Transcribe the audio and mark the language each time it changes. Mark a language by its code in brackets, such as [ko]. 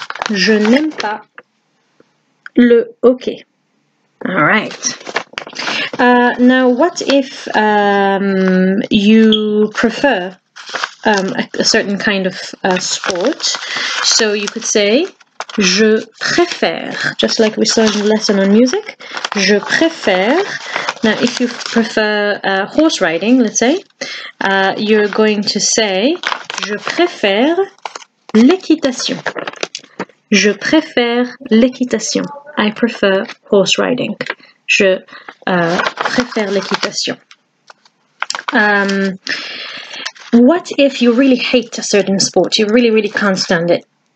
[fr] Je n'aime pas le hockey. [en] All right. Now, what if you prefer a certain kind of sport? So you could say [fr] Je préfère, [en] just like we saw in the lesson on music, [fr] je préfère. [en] Now, if you prefer horse riding, let's say, you're going to say, [fr] je préfère l'équitation. Je préfère l'équitation. [en] I prefer horse riding. [fr] Je préfère l'équitation. [en] What if you really hate a certain sport? You really, really can't stand it.